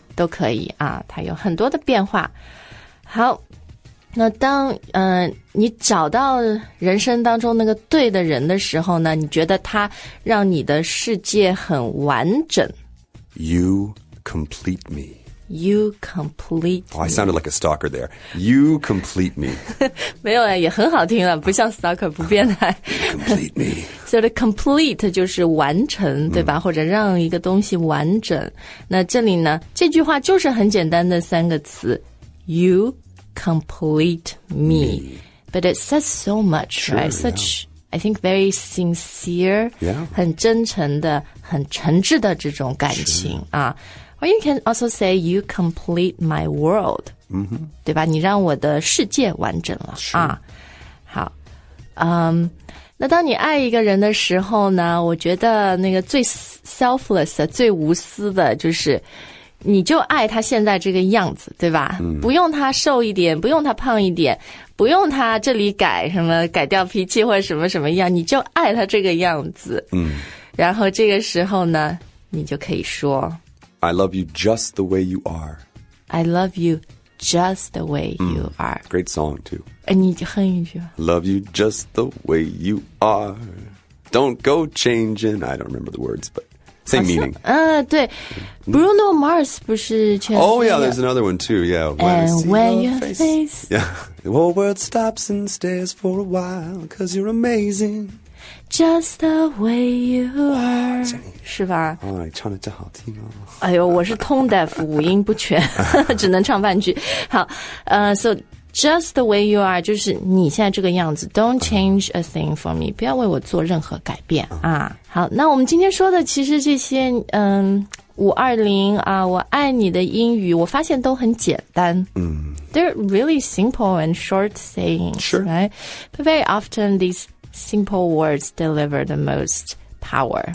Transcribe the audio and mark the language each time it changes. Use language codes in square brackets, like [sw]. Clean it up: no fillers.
[zh] 都可以啊它有很多的变化好那当你找到人生当中那个对的人的时候呢你觉得他让你的世界很完整 [en] You complete me You complete me Oh, I sounded like a stalker there You complete me [zh] 没有啊也很好听了不像 stalker 不变态 [en] complete me So the complete [zh] 就是完成对吧、或者让一个东西完整那这里呢这句话就是很简单的三个词 [en] YouComplete me. me but it says so much sure, right such、 yeah. I think very sincere yeah [zh] 很真诚的很诚挚的这种感情、 [en] sure. 啊 Or you can also say, you complete my world.、 Mm-hmm. [zh] 对吧你让我的世界完整了。是。好。那当你爱一个人的时候呢我觉得那个最 selfless 的最无私的就是你就爱他现在这个样子对吧、嗯、不用他瘦一点不用他胖一点不用他这里改什么改掉脾气或者什么什么样你就爱他这个样子、嗯、然后这个时候呢你就可以说 [en] I love you just the way you are I love you just the way you are、嗯、Great song too [zh] 你哼一句吧 [en] Love you just the way you are Don't go changing I don't remember the words butSame meaning. [zh] 对 Bruno Mars 不是全世界 [en] Oh yeah, there's another one too, yeah. When your face. Yeah. The whole world stops and stares for a while, cause you're amazing. Just the way you are. [zh] 是吧、 oh, 唱得真好听哦。哎呦我是 [en] tone deaf, [zh] 五音不全只能唱半句。好 [en] So, just the way you are, [zh] 就是你现在这个样子 [en] don't change a thing for me, [zh] 不要为我做任何改变、啊。好那我们今天说的其实这些520啊我爱你的英语我发现都很简单。 [en] They're really simple and short sayings, sure. Right? But very often these simple words deliver the most power.